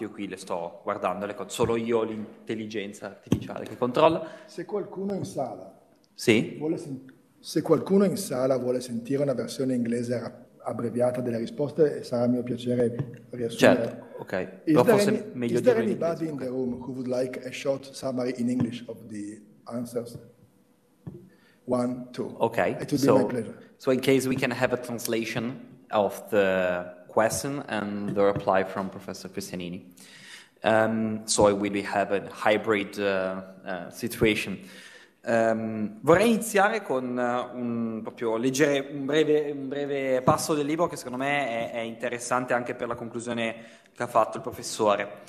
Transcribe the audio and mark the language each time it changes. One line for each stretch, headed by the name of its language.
Italian: Io qui le sto guardando, solo io ho l'intelligenza artificiale che controlla. Se qualcuno in sala vuole sentire una versione inglese abbreviata delle risposte, sarà mio piacere riassumere. Certo,
English: ok. Is there anybody in the room who would like a short summary in English of the answers? One, two. Okay. It would be my pleasure. So in case we can have a translation of the question and the reply from Professor Cristianini. So we will have a hybrid situation.
Italian: Vorrei iniziare con un breve passo del libro che secondo me è interessante anche per la conclusione che ha fatto il professore.